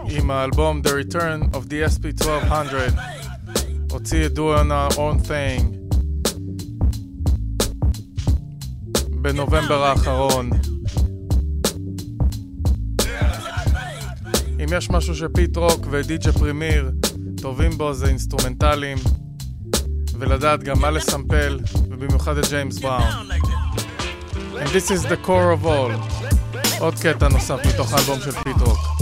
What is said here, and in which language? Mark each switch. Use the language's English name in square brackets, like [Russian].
[Hebrew] האלבום The Return of DSP 1200 הוציא את Doing Our Own Thing בנובמבר האחרון. אם יש משהו שפיט רוק ודיג'י פרימיר טובים בו זה אינסטרומנטלים ולדעת גם מה לסמפל, ובמיוחד את ג'יימס בראון. [English] And this is the core of all. [Hebrew] עוד קטע נוסף מתוך האלבום של פיט רוק.